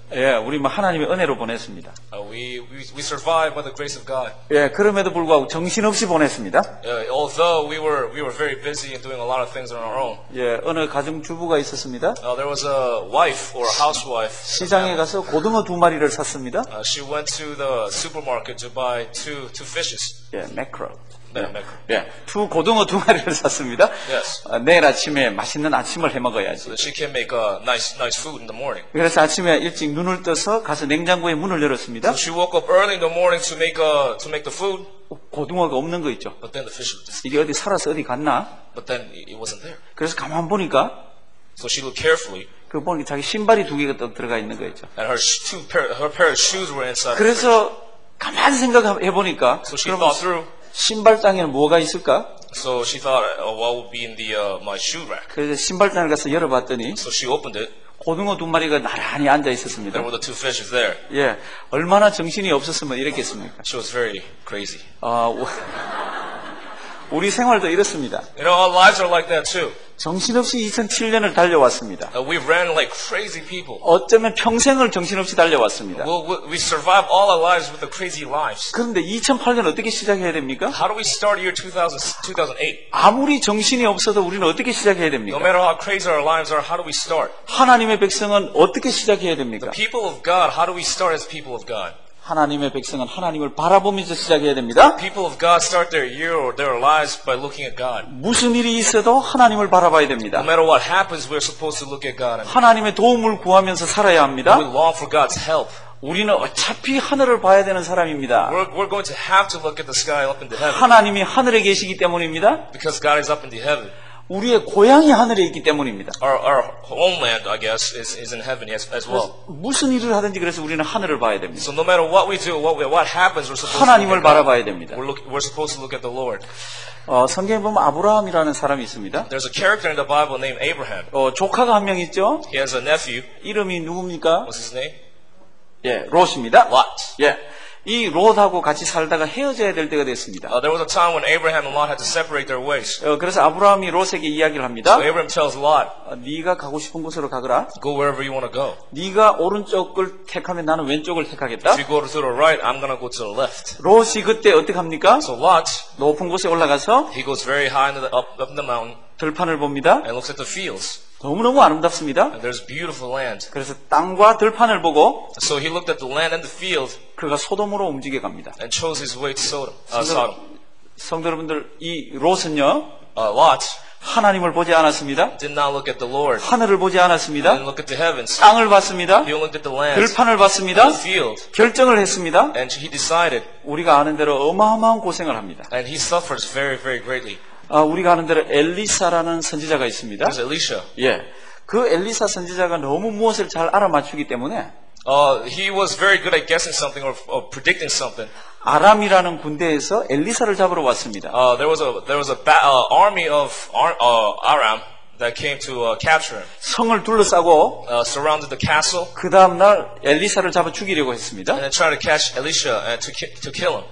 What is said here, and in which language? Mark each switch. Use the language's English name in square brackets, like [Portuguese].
[Korean] 예, 우리 뭐 하나님의 은혜로 보냈습니다. [English] We survived by the grace of God. [Korean] 예, 그럼에도 불구하고 정신없이 보냈습니다. [English] Yeah, although we were very busy and doing a lot of things on our own. [Korean] 예, 어느 가정 주부가 있었습니다. [English] There was a wife or a housewife. [Korean] 시장에 가서 고등어 두 마리를 샀습니다. [English] She went to the supermarket to buy two fishes. 예, mackerel. [Korean] 네, 예, 두 고등어 두 마리를 샀습니다. [English] Yes. [Korean] 내일 아침에 맛있는 아침을 해 먹어야지. [English] So she can make a nice food in the morning. [Korean] 그래서 아침에 일찍 눈을 떠서 가서 냉장고에 문을 열었습니다. [English] So she woke up early in the morning to make the food. [Korean] 고등어가 없는 거 있죠. [English] But then the fish was just... [Korean] 이게 어디 살아서 어디 갔나? [English] But then it wasn't there. [Korean] 그래서 가만 보니까. [English] So she looked carefully. [Korean] 그 보니까 자기 신발이 두 개가 들어가 있는 거 있죠. [English] And her pair of shoes were inside. [Korean] 그래서 가만 생각해 보니까. [English] So she thought through. [Korean] 신발장에는 뭐가 있을까? [English] So she thought, what would be in the my shoe rack? [Korean] 그래서 신발장을 가서 열어봤더니, [English] so she opened it. [Korean] 고등어 두 마리가 나란히 앉아 있었습니다. [English] There were the two fish there. [Korean] 예, 얼마나 정신이 없었으면 이랬겠습니까? [English] She was very crazy. [Korean] 우리 생활도 이렇습니다. [English] You know, our lives are like that too. [Korean] 정신없이 2007년을 달려왔습니다. [English] We ran like crazy people. [Korean] 어쩌면 평생을 정신없이 달려왔습니다. [English] We survived all our lives with the crazy lives. [Korean] 그런데 2008년 어떻게 시작해야 됩니까? [English] How do we start year 2008? [Korean] 아무리 정신이 없어도 우리는 어떻게 시작해야 됩니까? [English] No matter how crazy our lives are, how do we start? [Korean] 하나님의 백성은 어떻게 시작해야 됩니까? [English] The people of God, how do we start as people of God? [Korean] 하나님의 백성은 하나님을 바라보면서 시작해야 됩니다. [English] People of God start their year or their lives by looking at God. [Korean] 무슨 일이 있어도 하나님을 바라봐야 됩니다. [English] No matter what happens, we're supposed to look at God. [Korean] 하나님의 도움을 구하면서 살아야 합니다. [English] We long for God's help. [Korean] 우리는 어차피 하늘을 봐야 되는 사람입니다. [English] We're going to have to look at the sky up in the heaven. [Korean] 하나님이 하늘에 계시기 때문입니다. [English] Because God is up in the heaven. [Korean] 우리의 고향이 하늘에 있기 때문입니다. [English] Our homeland, I guess, is in heaven as well. [Korean] 무슨 일을 하든지 그래서 우리는 하늘을 봐야 됩니다. [English] So no matter what we do, what happens, we're supposed [Korean] 하나님을 [English] to look [Korean] 바라봐야 됩니다. [English] We're supposed to look at the Lord. [Korean] 성경에 보면 아브라함이라는 사람이 있습니다. [English] There's a character in the Bible named Abraham. [Korean] 조카가 한 명 있죠. [English] He has a nephew. [Korean] 이름이 누굽니까? [English] What's his name? [Korean] 예, 롯입니다. [English] Lot. [Korean] 예. 이 롯하고 같이 살다가 헤어져야 될 때가 됐습니다. [English] There was a time when Abraham and Lot had to separate their ways. [Korean] 그래서 아브라함이 롯에게 이야기를 합니다. [English] So Abraham tells Lot, [Korean] 네가 가고 싶은 곳으로 가거라. [English] Go wherever you want to go. [Korean] 네가 오른쪽을 택하면 나는 왼쪽을 택하겠다. [English] If you go to the right, I'm gonna go to the left. [Korean] 롯이 그때 어떻게 합니까? [English] So Lot, [Korean] 높은 곳에 올라가서, [English] he goes very high in the, up in the mountain. [Korean] 들판을 봅니다. [English] And looks at the fields. [Korean] 너무너무 아름답습니다. [English] And there's beautiful land. [Korean] 그래서 땅과 들판을 보고 [English] so he looked at the land and the field, [Korean] 그가 소돔으로 움직여 갑니다. [English] And chose his way to Sodom. [Korean] 성도, 성도 여러분들 이 롯은요 [English] Lot [Korean] 하나님을 보지 않았습니다. [English] Did not look at the Lord. [Korean] 하늘을 보지 않았습니다. [English] Didn't look at the heavens. [Korean] 땅을 봤습니다. [English] He looked at the land. [Korean] 들판을 봤습니다. [English] And the field. [Korean] 결정을 했습니다. [English] And he decided. [Korean] 우리가 아는 대로 어마어마한 고생을 합니다. [English] And he suffers very very greatly. [Korean] 우리가 아는 대로 엘리사라는 선지자가 있습니다. [English] There's Elisha. [Korean] 예. 그 엘리사 선지자가 너무 무엇을 잘 알아맞추기 때문에 [English] he was very good at guessing something or predicting something. [Korean] 아람이라는 군대에서 엘리사를 잡으러 왔습니다. [English] There was an army of Aram that came to capture him. [Korean] 성을 둘러싸고 [English] surrounded the castle. [Korean] 그 다음 날 엘리사를 잡아 죽이려고 했습니다. [English] And tried to catch Elisha and to kill him.